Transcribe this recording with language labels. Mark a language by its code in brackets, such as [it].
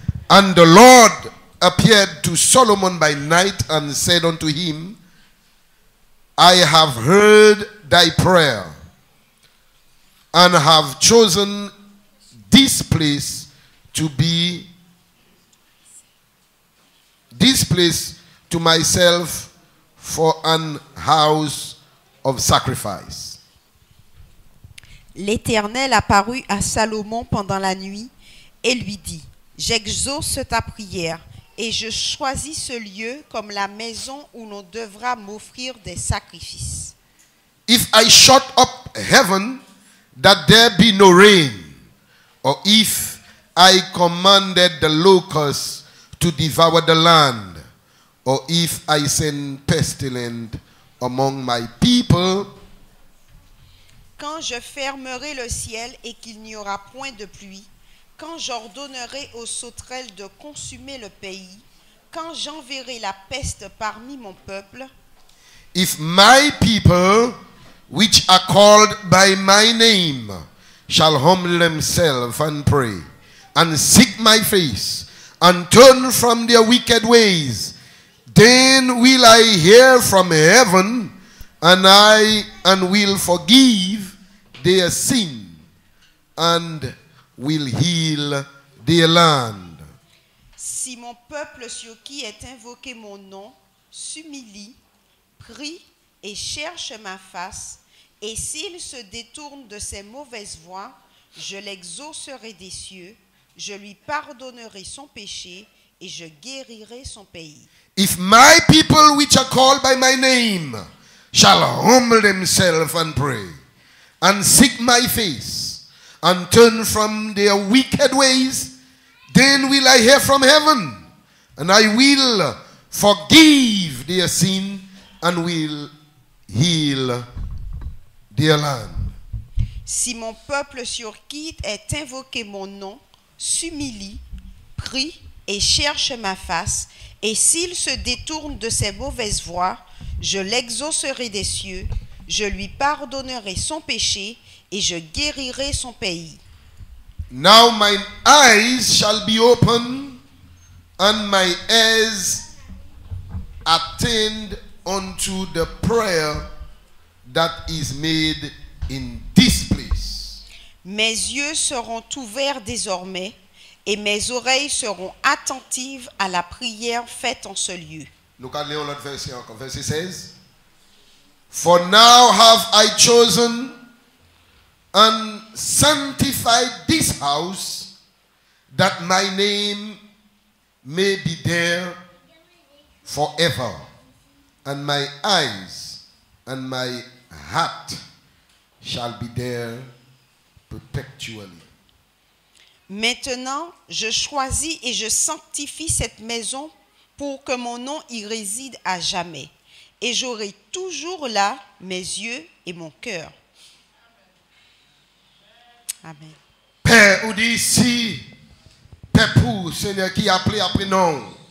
[en] And the Lord appeared to Solomon by night and said unto him, I have heard thy prayer and have chosen this place to be this place to myself for an house of sacrifice. [fr] L'Éternel apparut à Salomon pendant la nuit et lui dit, « J'exauce ta prière et je choisis ce lieu comme la maison où l'on devra m'offrir des sacrifices. » [en] If I shut up heaven that there be no rain, or if I commanded the locusts to devour the land, or if I send pestilence among my people, [fr] quand je fermerai le ciel et qu'il n'y aura point de pluie, quand j'ordonnerai aux sauterelles de consumer le pays, quand j'enverrai la peste parmi mon peuple, [en] if my people, which are called by my name, shall humble themselves and pray, and seek my face, and turn from their wicked ways, then will I hear from heaven, and I and will forgive their sin, and will heal their land. [fr] Si mon peuple sur qui est invoqué mon nom s'humilie, prie et cherche ma face, et s'il se détourne de ses mauvaises voies, je l'exaucerai des cieux, je lui pardonnerai son péché et je guérirai son pays. [en] If my people which are called by my name shall humble themselves and pray and seek my face and turn from their wicked ways, then will I hear from heaven and I will forgive their sin and will heal their land. [fr] Si mon peuple sur qui est invoqué mon nom s'humilie, prie et cherche ma face, et s'il se détourne de ses mauvaises voies, je l'exaucerai des cieux, je lui pardonnerai son péché et je guérirai son pays. [en] Now my eyes shall be open and my ears attend unto the prayer that is made in this place. [fr] Mes yeux seront ouverts désormais et mes oreilles seront attentives à la prière faite en ce lieu. Nous allons lire verset encore, verset 16. [en] For now have I chosen and sanctified this house that my name may be there forever, and my eyes and my heart shall be there perpetually. [fr] Maintenant, je choisis et je sanctifie cette maison pour que mon nom y réside à jamais. Et j'aurai toujours là mes yeux et mon cœur. Amen. Père, ou dit ici, Père pour, Seigneur, qui a appelé après nom.